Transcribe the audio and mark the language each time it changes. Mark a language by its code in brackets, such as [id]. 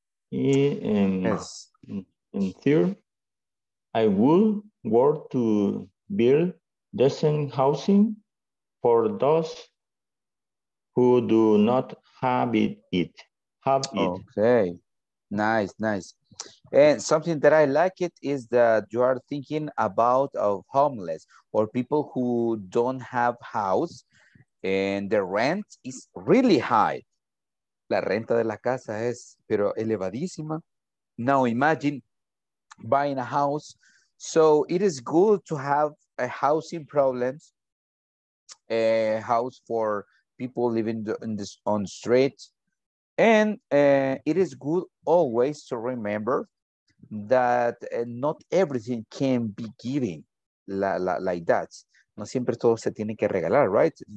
[en] In third, I would work to build decent housing for those who do not have it. Okay, nice. And something that I like it is that you are thinking about of homeless or people who don't have house and the rent is really high. [es] La renta de la casa es, pero elevadísima. [en] Now imagine buying a house. So it is good to have a housing problems, a house for people living in this on street. And it is good always to remember that not everything can be given like that. [es] No siempre todo se tiene que regalar, right?